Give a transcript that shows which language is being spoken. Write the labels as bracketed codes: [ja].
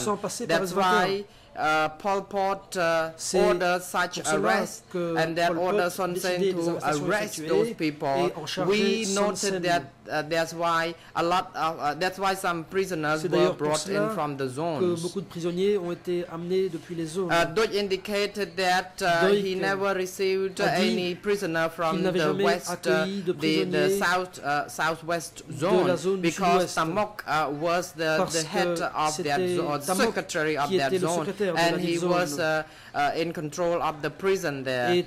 [fr] Sans passer [en] That's [fr] par [en] why Pol Pot ordered such arrest, and that ordered Son Sen to arrest those people. We noted that that's why some prisoners were brought in from the zones. [fr] Beaucoup de prisonniers ont été amenés depuis les zones. [en] Deutsch indicated that he never received any prisoner from the west, the south southwest zone, because Tamok was the head of that zone, the secretary of that zone, and he was in control of the prison there.